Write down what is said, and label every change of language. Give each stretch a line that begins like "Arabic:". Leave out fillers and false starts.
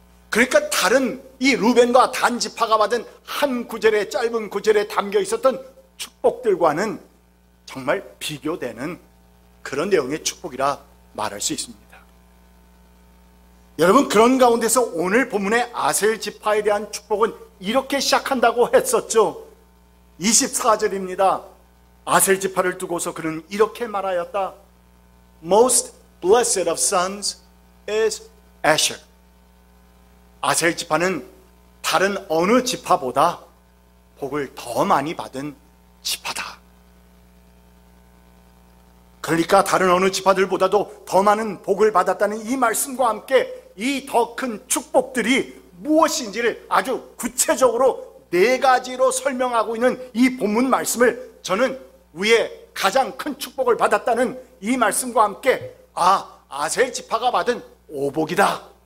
Korean: 그러니까 다른 이 르벤과 단 지파가 받은 한 구절의 짧은 구절에 담겨 있었던 축복들과는 정말 비교되는 그런 내용의 축복이라 말할 수 있습니다. 여러분 그런 가운데서 오늘 본문의 아셀 지파에 대한 축복은 이렇게 시작한다고 했었죠. 24절입니다. 아셀 지파를 두고서 그는 이렇게 말하였다.
English: Most blessed of sons is Asher.
Korean: 아셀 지파는 다른 어느 지파보다 복을 더 많이 받은 지파다. 그러니까 다른 어느 지파들보다도 더 많은 복을 받았다는 이 말씀과 함께 이 더 큰 축복들이 무엇인지를 아주 구체적으로 네 가지로 설명하고 있는 이 본문 말씀을 저는 위에 가장 큰 축복을 받았다는 이 말씀과 함께 아, 아셀 지파가 받은 오복이다.